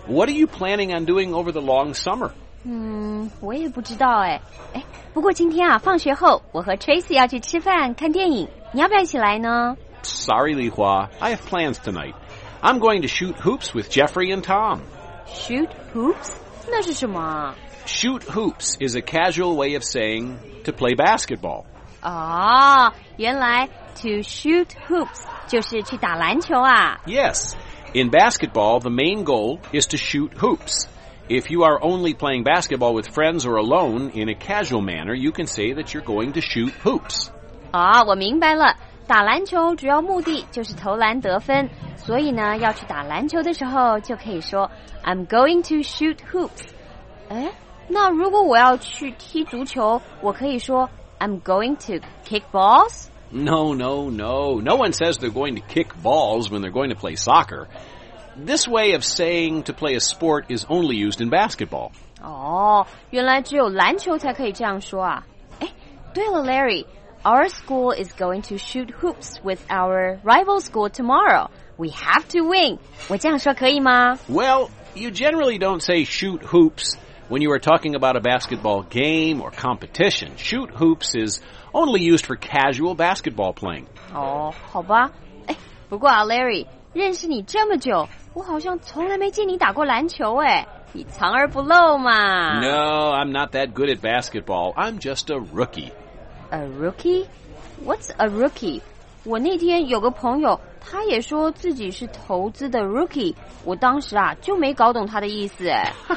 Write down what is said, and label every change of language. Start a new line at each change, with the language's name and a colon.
English: What are you planning on doing over the long summer?
Chinese: 我也不知道哎。哎，不过今天啊，放学后我和 Tracy 要去吃饭看电影，你要不要一起来呢？
English: Sorry, Li Hua. I have plans tonight. I'm going to shoot hoops with Jeffrey and Tom. Shoot hoops?
Chinese: 那是什么？
English: Shoot hoops is a casual way of saying to play basketball.
Chinese: Oh, 原来
English: to shoot hoops
Chinese: 就是去打篮球啊。
English: Yes, in basketball, the main goal is to shoot hoops. If you are only playing basketball with friends or alone in a casual manner, you can say that you're going to shoot hoops.
Chinese: Oh, 我明白了。打篮球主要目的就是投篮得分，所以呢，要去打篮球的时候就可以说
English: I'm going to shoot hoops.
Chinese: 那如果我要去踢足球，我可以说
English: I'm going to kick balls? No, no, no. No one says they're going to kick balls when they're going to play soccer. This way of saying to play a sport is only used in basketball.
Chinese: 原来只有篮球才可以这样说啊。对了
English: Larry, our school is going to shoot hoops with our rival school tomorrow. We have to win.
Chinese: 我这样说可以吗？
English: Well, you generally don't say shoot hoops. When you are talking about a basketball game or competition, shoot hoops is only used for casual basketball playing.
Chinese: 好吧。不过啊 ,Larry, 认识你这么久，我好像从来没见你打过篮球哎。你藏而不露嘛。
English: No, I'm not that good at basketball. I'm just a rookie. A rookie? What's a rookie?
Chinese: 我那天有个朋友，他也说自己是投资的 rookie， 我当时啊就没搞懂他的意思哎。